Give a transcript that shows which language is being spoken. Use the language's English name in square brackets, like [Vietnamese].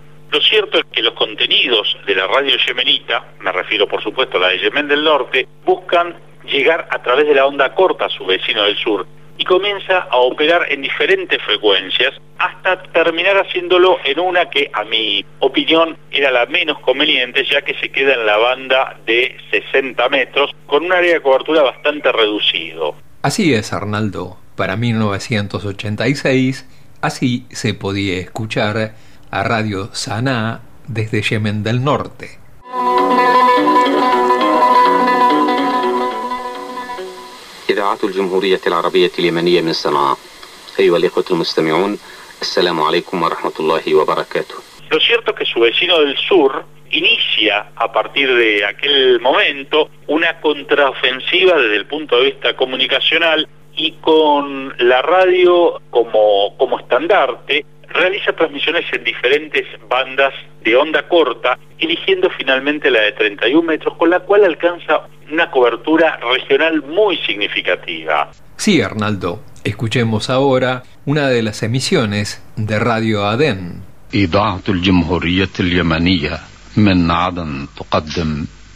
[Spanish] Lo cierto es que los contenidos de la radio yemenita, me refiero por supuesto a la de Yemen del Norte, buscan llegar a través de la onda corta a su vecino del sur y comienza a operar en diferentes frecuencias hasta terminar haciéndolo en una que, a mi opinión, era la menos conveniente, ya que se queda en la banda de 60 metros con un área de cobertura bastante reducido. Así es, Arnaldo. Para 1986, así se podía escuchar a Radio Sana'a desde Yemen del Norte. [Arabic] إذاعة الجمهورية العربية اليمنية من صنعاء أيها الإخوة المستمعون، السلام عليكم ورحمة الله وبركاته. [Spanish] Lo cierto es que su vecino del sur inicia a partir de aquel momento una contraofensiva desde el punto de vista comunicacional y con la radio como estandarte realiza transmisiones en diferentes bandas de onda corta, eligiendo finalmente la de 31 metros, con la cual alcanza una cobertura regional muy significativa. Sí, Arnaldo, escuchemos ahora una de las emisiones de Radio Adén. [Arabic] إذاعة الجمهورية اليمنية من عدن تقدم